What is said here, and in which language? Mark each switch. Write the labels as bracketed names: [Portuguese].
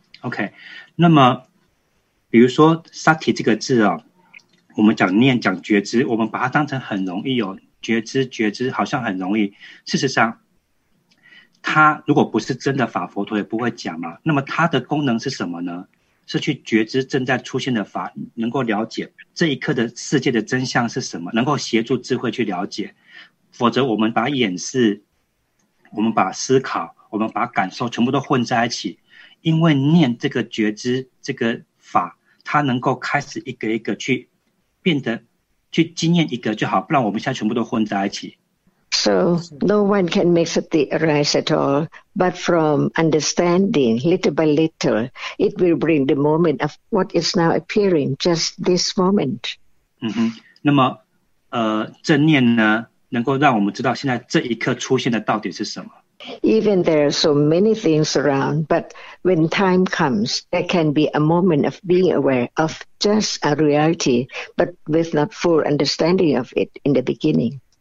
[Chinese] OK, 那么比如说 sati 这个字哦，我们讲念讲觉知，我们把它当成很容易哦，觉知觉知好像很容易。事实上，它如果不是真的法，佛陀也不会讲嘛。那么它的功能是什么呢？是去觉知正在出现的法，能够了解这一刻的世界的真相是什么，能够协助智慧去了解。否则我们把掩饰，我们把思考， 我们把感受全部都混在一起，因为念这个觉知这个法，它能够开始一个一个去变得，去经验一个就好，不然我们现在全部都混在一起。 [English] So no one can make sati arise at all, but from understanding little by little, it will bring the moment of what is now appearing, just this moment. [Chinese] 嗯哼，那么正念呢，能够让我们知道现在这一刻出现的到底是什么。 [English] Even there are so many things around, but when time comes, there can be a moment of being aware of just a reality, but with not full understanding of it in the beginning.